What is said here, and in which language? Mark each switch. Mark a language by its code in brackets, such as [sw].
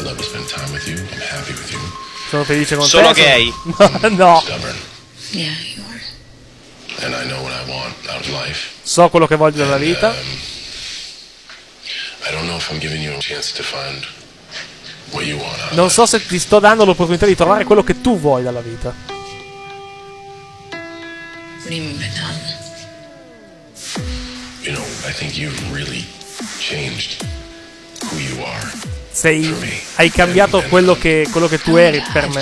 [en] I love to spend time with you. I'm happy with you. [it] Sono felice con sono te. Sono gay. No. [en] Stubborn. Yeah, you are. And I know what I want out of life. [it] So quello che voglio dalla vita. [en] I don't know if I'm giving you a chance to find what you want. [it] Non so se ti sto dando l'opportunità di trovare quello che tu vuoi dalla vita. [en] What do you mean by that? You know, I think you've really changed who you are. [it] sei, hai cambiato quello che tu eri per me.